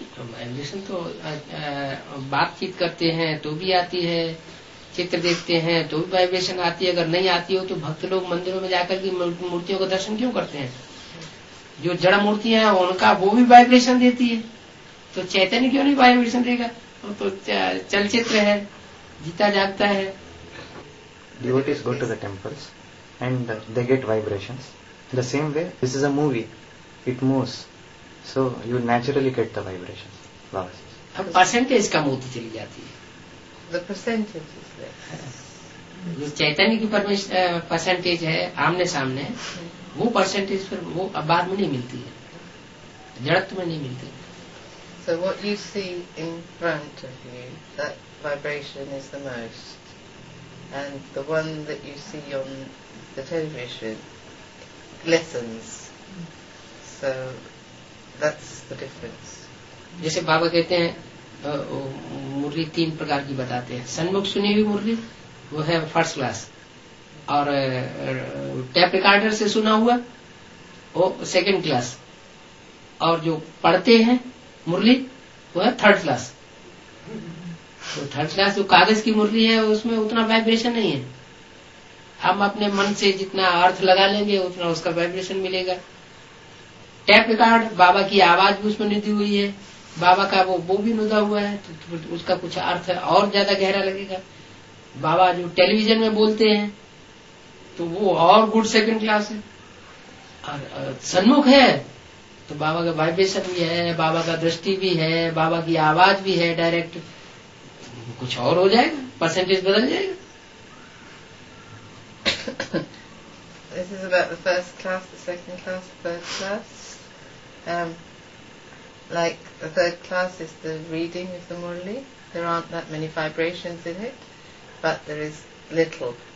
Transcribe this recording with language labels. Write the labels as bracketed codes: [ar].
[hi] vibration तो बातचीत करते हैं तो भी आती है चित्र देखते हैं तो भी वाइब्रेशन आती है अगर नहीं आती हो तो भक्त लोग मंदिरों में जाकर भी मूर्तियों का दर्शन क्यों करते हैं जो जड़ मूर्तियां हैं उनका वो भी वाइब्रेशन देती है तो चैतन्य क्यों नहीं वाइब्रेशन देगा वो तो चलचित्र है जीता जागता है [en] Devotees go to the temples and they get vibrations. The same way, this is a movie. It moves. So you naturally get the vibrations. Baba says. [hi] अब percentage कम होती चली जाती है [en] The percentage is there. [hi] जो चैतन्य की percentage है आमने सामने वो परसेंटेज पर वो बाद में नहीं मिलती है जड़त में नहीं मिलती [en] So what you see in front of you, that vibration is the most. And the one that you see on the television lessens. So that's the difference. [hi] जैसे बाबा कहते हैं मुरली तीन प्रकार की बताते हैं सन्मुख सुनी हुई मुरली वो है फर्स्ट क्लास और टेप रिकॉर्डर से सुना हुआ वो सेकंड क्लास और जो पढ़ते हैं मुरली वो है थर्ड क्लास तो थर्ड क्लास जो कागज की मुरली है उसमें उतना वाइब्रेशन नहीं है हम अपने मन से जितना अर्थ लगा लेंगे उतना उसका वाइब्रेशन मिलेगा टेप रिकॉर्ड बाबा की आवाज भी उसमें निधि हुई है बाबा का वो भी नुदा हुआ है तो उसका कुछ अर्थ और ज्यादा गहरा लगेगा बाबा जो टेलीविजन में बोलते हैं तो वो और गुड सेकंड क्लास है और सन्मुख है तो बाबा का वाइब्रेशन भी है बाबा का दृष्टि भी है बाबा की आवाज भी है डायरेक्ट कुछ और हो जाएगा परसेंटेज बदल जाएगा [en] This is about the first class, the second class, the third class. Like the third class is the reading of the Murli. There aren't that many vibrations in it, but there is little.